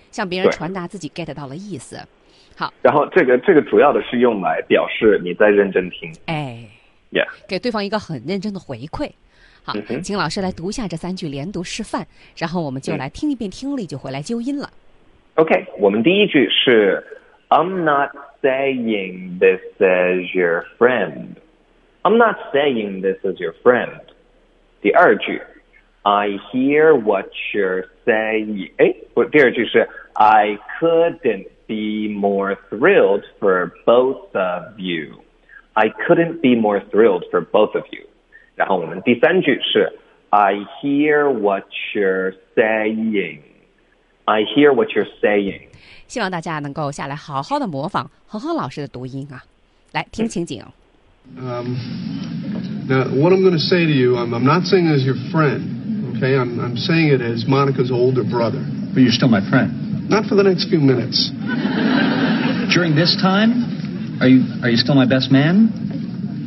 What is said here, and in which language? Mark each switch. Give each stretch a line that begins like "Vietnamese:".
Chinese: 向别人传达自己 get 到了意思。好，然后这个主要的是用来表示你在认真听，哎，yeah，给对方一个很认真的回馈。好，请老师来读一下这三句连读示范，然后我们就来听一遍听力，就回来纠音了。
English: OK，
Chinese: 我们第一句是
English: I'm not saying this as your friend. I'm not saying this as your friend.
Chinese: 第二句
English: I hear what you're saying.
Chinese: 第二句是
English: I couldn't be more thrilled for both of you. I couldn't be more thrilled for both of you.
Chinese: 然后我们第三句是
English: I hear what you're saying. I hear what you're saying.
Chinese: 希望大家能够下来好好的模仿恒恒老师的读音啊。来听情景。
English: Now, what I'm going to say to you, I'm not saying as your friend, okay? I'm saying it as Monica's older brother. But you're still my friend. Not for the next few minutes. During this time, are you still my best man?